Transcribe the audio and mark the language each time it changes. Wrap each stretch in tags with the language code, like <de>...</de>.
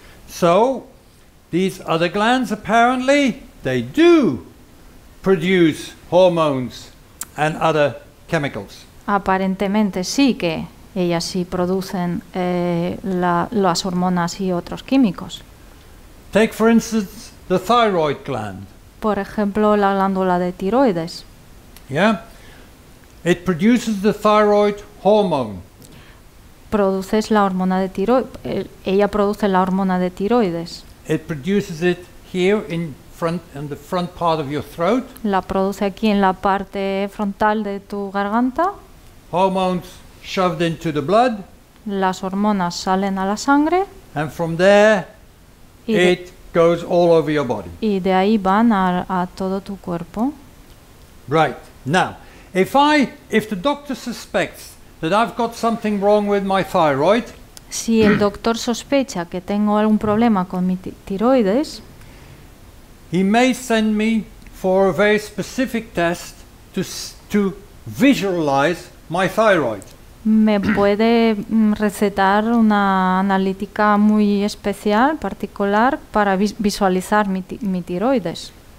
<en>So, these other glands, apparently, they do produce hormones and other chemicals.</en> <es>Aparentemente sí que ellas sí producen las hormonas y otros químicos.</es> <en>Take, for instance, the thyroid gland.</en> <es>Por ejemplo, la glándula de tiroides.</es> <en>Yeah. It produces the thyroid hormone.</en> <es>Ella produce la hormona de tiroides.</es> <en>It produces it here in the front part of your throat.</en> <es>La produce aquí en la parte frontal de tu garganta.</es> <en>Hormones shoved into the blood.</en> <es>Las hormonas salen a la sangre.</es> <en>And from there, it goes all over your body.</en> <es>Y de ahí van a todo tu cuerpo.</es> <en>Right. Now, if the doctor suspects that I've got something wrong with my thyroid.</en> <es>Si el doctor sospecha que tengo algún problema con mi tiroides,</es> <en>he may send me for a very specific test to visualize my thyroid.</en> <es>Me puede recetar una analítica muy especial, particular, para visualizar mi tiroides.</es>